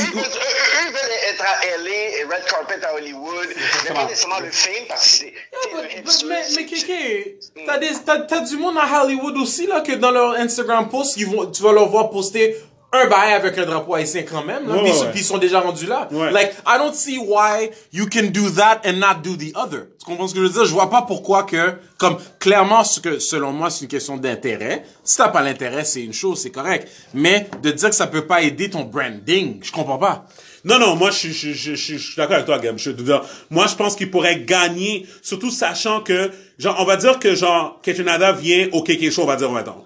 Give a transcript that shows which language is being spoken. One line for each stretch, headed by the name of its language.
French: être à LA et red carpet à Hollywood, mais pas nécessairement le film parce que c'est... Mais Kéké, t'as du monde à Hollywood aussi là que dans leur Instagram post, tu vas leur voir poster un bail avec un drapeau haïtien quand même, puis ils sont déjà rendus là. Ouais.
English: Like, I don't see why you can do that and not do the other.
French: Tu comprends ce que je veux dire? Je vois pas pourquoi que, comme, clairement, selon moi, c'est une question d'intérêt. Si t'as pas l'intérêt, c'est une chose, c'est correct. Mais de dire que ça peut pas aider ton branding, je comprends pas. Non, moi, je suis d'accord avec toi, Gam. Moi, je pense qu'il pourrait gagner, surtout sachant que, genre, on va dire que, genre, que Canada vient au KK Show, on va dire, maintenant.